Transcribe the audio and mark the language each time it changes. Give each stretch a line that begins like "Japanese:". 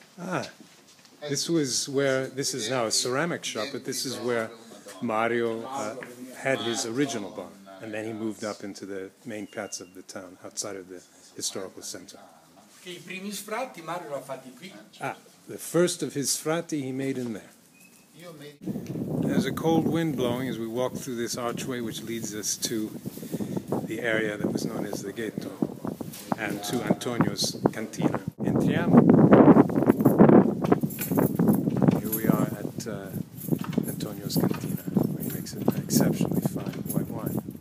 English: Ah, this was where, this is now a ceramic shop, but this is where Mario had his original bar. And then he moved up into the main piazza of the town, outside of the historical center.
Italian: Che i primi sfratti Mario l'ha fatti qui.
English: Ah, the first of his sfratti he made in there. There's a cold wind blowing as we walk through this archway, which leads us to the area that was known as the ghetto, and to Antonio's cantina.
Italian: Entriamo.
English: Here we are at Antonio's cantina, where he makes an exceptionally fine white wine.